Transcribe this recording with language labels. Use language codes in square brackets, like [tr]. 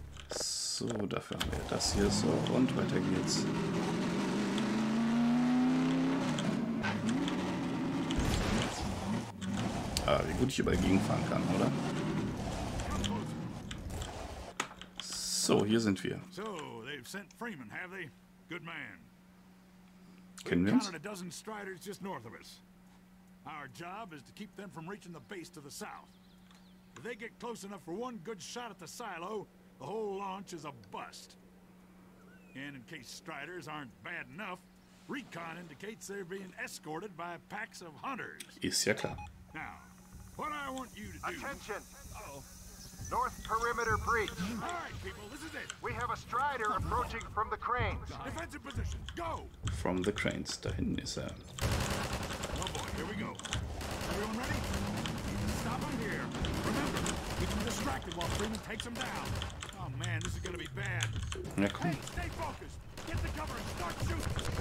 [de] So, dafür haben wir das hier. So, und weiter geht's. Ah, wie gut ich überall gegenfahren kann, oder? So, hier sind wir. [en] So, they've sent Freeman, have they? Good man. [de] Kennen wir uns? [en] We've counted a dozen Striders just north of us. Our job is to keep them from reaching the base to the south. If they get close enough for one good shot at the silo, the whole launch is a bust. And in case Striders aren't bad enough, recon indicates they're being escorted by packs of hunters. [de] Ist ja klar. [en] Now, what I want you to do... Attention! North perimeter breach. All right, people, this is it. We have a Strider approaching from the cranes. Defensive position, go! From the cranes, [de] da hinten ist er. [en] Here we go. Everyone ready? Stop him here. Remember, keep him distracted while Freeman takes him down. Oh man, this is gonna be bad. Yeah, cool. Hey, stay focused. Get the cover and start shooting.